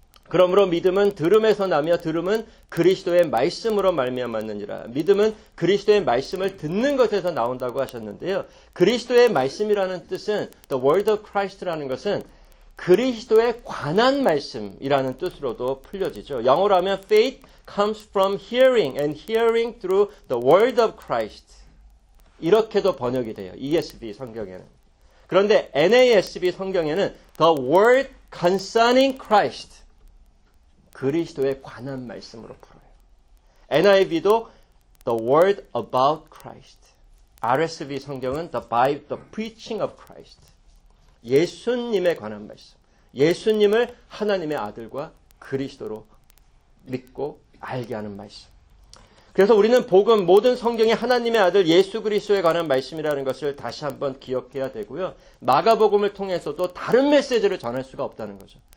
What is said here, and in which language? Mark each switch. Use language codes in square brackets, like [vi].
[ko] 그러므로 믿음은 들음에서 나며 들음은 그리스도의 말씀으로 말미암았느니라. 믿음은 그리스도의 말씀을 듣는 것에서 나온다고 하셨는데요. 그리스도의 말씀이라는 뜻은 [en] The Word of Christ [ko] 라는 것은 그리스도에 관한 말씀이라는 뜻으로도 풀려지죠. 영어로 하면 [en] Faith comes from hearing and hearing through the Word of Christ. [ko] 이렇게도 번역이 돼요. ESV 성경에는. 그런데 NASB 성경에는 [en] The Word concerning Christ. [ko] 그리스도에 관한 말씀으로 풀어요. [en] NIV도 The Word About Christ. [ko] RSV 성경은 [en] The Preaching of Christ. [ko] 예수님에 관한 말씀. 예수님을 하나님의 아들과 그리스도로 믿고 알게 하는 말씀. 그래서 우리는 복음, 모든 성경이 하나님의 아들 예수 그리스도에 관한 말씀이라는 것을 다시 한번 기억해야 되고요. 마가복음을 통해서도 다른 메시지를 전할 수가 없다는 거죠.